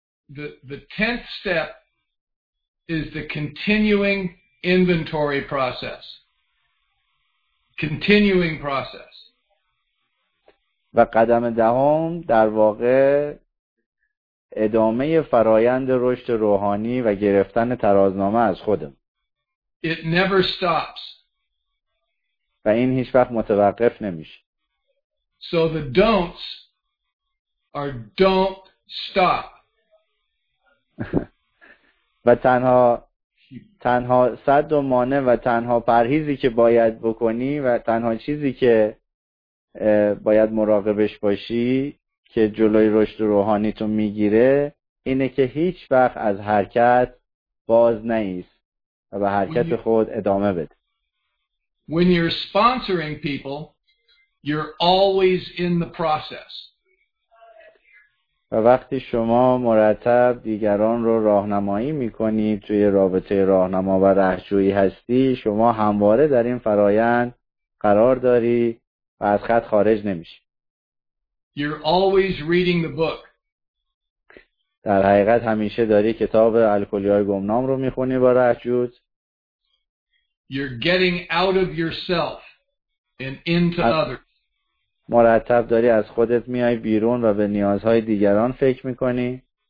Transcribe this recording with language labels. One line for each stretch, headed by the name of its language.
English: The tenth step is the continuing inventory process. Continuing process.
Persian: و قدم دهم در واقع ادامه فرایند رشد روحانی و گرفتن ترازنامه از خودم.
English: It never stops.
Persian: و این هیچ وقت متوقف نمیشه.
English: So the don'ts are don't stop.
Persian: و تنها صد و مانع و تنها پرهیزی که باید بکنی و تنها چیزی که باید مراقبش باشی که جلوی رشد روحانیتو میگیره اینه که هیچ وقت از حرکت باز نیست و به حرکت خود ادامه بده.
English: When you're sponsoring people, you're always in the process.
Persian: و وقتی شما مرتب دیگران رو راهنمایی میکنی توی رابطه راهنما و رهجویی هستی، شما همواره در این فرایند قرار داری و از خط خارج نمیشی.
English: You're always reading the book.
Persian: در حقیقت همیشه داری کتاب الکلی‌های گمنام رو میخونی با رهجوت.
English: You're getting out of yourself and into others.
Persian: مرتب داری از خودت میای بیرون و به نیازهای دیگران فکر میکنی.